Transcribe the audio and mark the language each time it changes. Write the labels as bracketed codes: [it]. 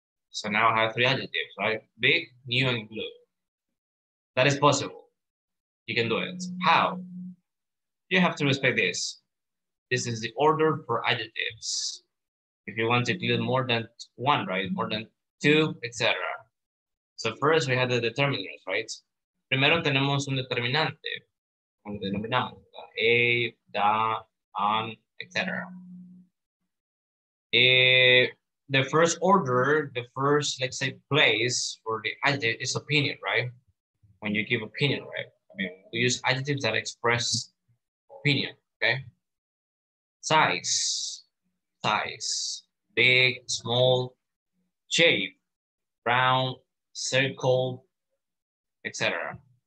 [en] So now I have three adjectives, right? Big, new, and blue. That is possible. You can do it. How? You have to respect this. This is the order for adjectives. If you want to include more than one, right? More than two, etc. So first we have the determiners, right? [es] Primero tenemos un determinante, como denominamos, a, da, an, etc. [en] The first order, the first, let's say, place for the adjective is opinion, right? When you give opinion, right? I mean, we use adjectives that express opinion, okay? Size, big, small, shape, round, circle, etc.